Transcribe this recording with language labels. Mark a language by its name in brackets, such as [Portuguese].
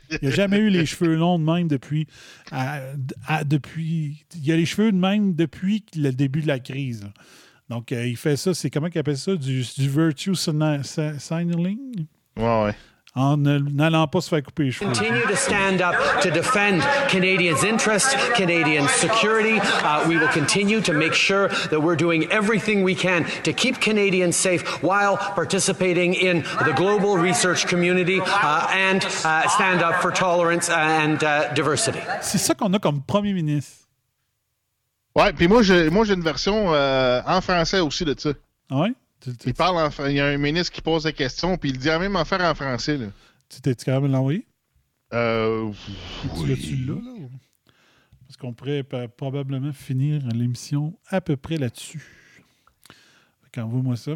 [French] Il n'a jamais eu les cheveux longs de même depuis... Il a les cheveux de même depuis le début de la crise, là. Donc, il fait ça, c'est comment qu'il appelle ça? Du virtue signaling? Ouais, ouais. En n'allant pas se faire couper les cheveux. [English] Continue to stand up to defend Canadians' interests, Canadians' security. We will continue to make sure that we're doing everything we can to keep Canadians safe while participating in the global research community stand up for tolerance and diversity. [French] C'est ça qu'on a comme premier ministre. Ouais, puis moi j'ai une version en français aussi de ça. Ouais. Il parle en français. Il y a un ministre qui pose des questions, puis il dit la même affaire en français. Là. Tu t'es quand même l'envoyé? Oui. Tu l'as là? Parce qu'on pourrait probablement finir l'émission à peu près là-dessus. Envoie-moi ça.